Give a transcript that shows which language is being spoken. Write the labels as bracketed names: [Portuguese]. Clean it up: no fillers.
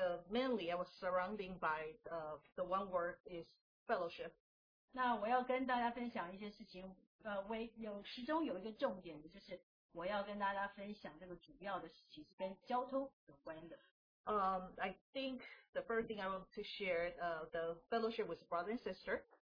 [English] Mainly I was surrounding by the one word is fellowship. [Chinese] 那我要跟大家分享一些事情，其中有一个重点就是。 [English] I think the first thing I want to share the fellowship with brother and sister.